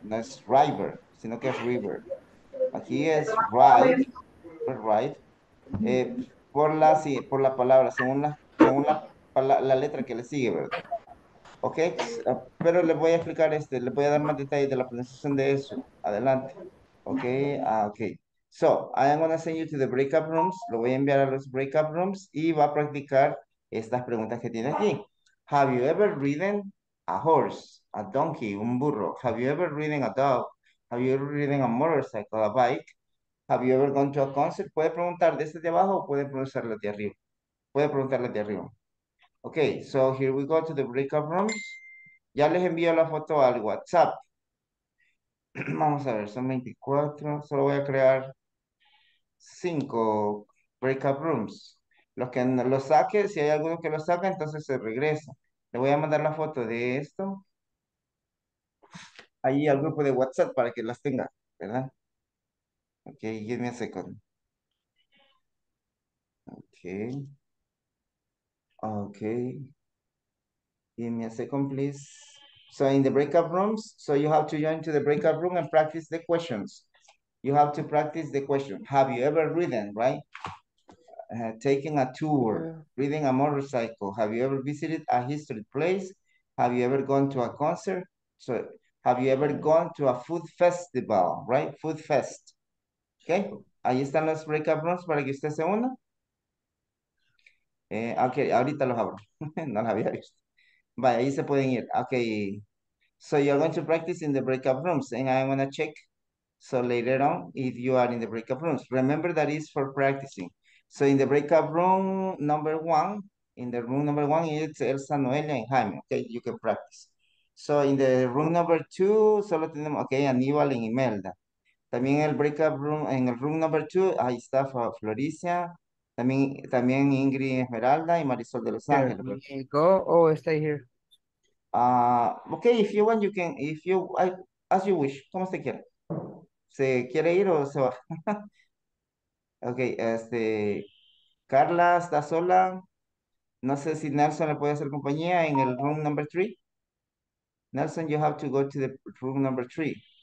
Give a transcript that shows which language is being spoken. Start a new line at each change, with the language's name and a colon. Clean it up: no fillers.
Spanish: No es river, sino que es river. Aquí es ride, ride. Sí, por la palabra, la letra que le sigue, ¿verdad? Ok, pero les voy a explicar les voy a dar más detalles de la pronunciación de eso. Adelante. Ok, ok.
English: So, I am going to send you to the breakout rooms.
Spanish: Lo voy a enviar a los breakout rooms y va a practicar estas preguntas que tiene aquí.
English: Have you ever ridden a horse, a donkey,
Spanish: un burro?
English: Have you ever ridden a dog? Have you ever ridden a motorcycle, a bike? Have you ever gone to a concert?
Spanish: Puede preguntar desde de abajo o puede preguntarle de arriba. Puede preguntarle de arriba.
English: Ok, so here we go to the breakout rooms.
Spanish: Ya les envío la foto al WhatsApp. Vamos a ver, son 24. Solo voy a crear 5 breakout rooms. Los que lo saquen, si hay alguno que lo saque, entonces se regresa. Le voy a mandar la foto de esto. Allí al grupo de WhatsApp para que las tenga, ¿verdad?
English: Ok, give me a second. Okay. Give me a second, please. So in the breakout rooms, so you have to join to the breakout room and practice the questions. You have to practice the question. Have you ever ridden, right? Taking a tour, riding a motorcycle. Have you ever visited a historic place? Have you ever gone to a concert? So have you ever gone to a food festival, right? Food fest. Okay.
Spanish: Ahí están los breakout rooms para que usted se una. Ok, ahorita los abro. No los había visto. Vaya, ahí se pueden ir. Ok.
English: So you're going to practice in the breakout rooms and I'm going to check. So later on, if you are in the breakout rooms, remember that is for practicing. So in the breakout room number one, in the room number one, it's Elsa, Noelia, and Jaime. Okay, you can practice. So in the room number two,
Spanish: solo tenemos,
English: okay, Aníbal y Imelda.
Spanish: También el breakout room, en el
English: room number two,
Spanish: ahí está Floricia. También Ingrid Esmeralda y Marisol de Los Ángeles.
English: Here, you can go or stay here. Okay, if you want, you can, if you, I, as you wish,
Spanish: como usted quiera. ¿Se quiere ir o se va? Ok, este, Carla está sola. No sé si Nelson le puede hacer compañía en el
English: room number three. Nelson, you have to go to the room number three.